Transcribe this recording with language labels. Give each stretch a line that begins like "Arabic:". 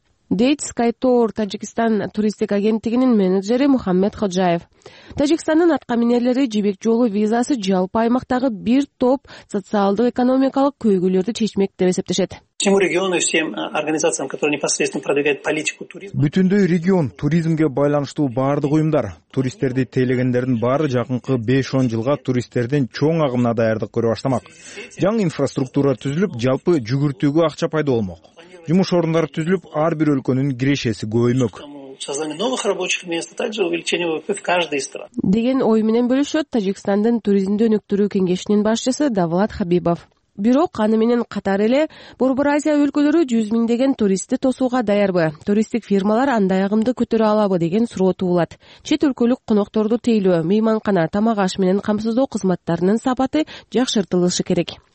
Kyrgyz: дейт SkyTour Таджикистан туристик агенттигинин менеджери Мухаммед Ходжаев. Тажикстандын аткаминерлери жибек жолу визасы жалпы аймактагы бир топ социалдык экономикалык көйгөйлөрдү чечмек деп эсептешет.
Russian: Всему региону и всем организациям, которые непосредственно продвигают политику туризма.
Kyrgyz: Бүтүндөй регион туризмге байланыштуу баардык уюмдар, туристтерди тейлегендердин баары жакынкы 5-10 жылга туристтерден чоң агымына даярдык көрө баштамак. Жаңы инфраструктура түзүлүп, жалпы жүгүртүүгө акча пайда болмок. Жумуш орундары түзүлүп, ар бир өлкөнүн кирешеси көбөймөк.
Russian: Создание новых рабочих мест, а также увеличение ВВП в каждой стране.
Kyrgyz: Деген ой менен бөлүшөт Тажикстандын туризмди өнүктүрүү кеңешинин башчысы Давлат Хабибов. Бирок аны менен катар эле Борбор Азия өлкөлөрү 100 000 туристти тосууга даярбы? Туристтик фирмалар андай агымды көтөрө алабы деген суроо туулат. Чет өлкөлүк конокторду тейлөө, мейманкана, тамак аш менен камсыздоо кызматтарынын сапаты жакшыртылышы керек.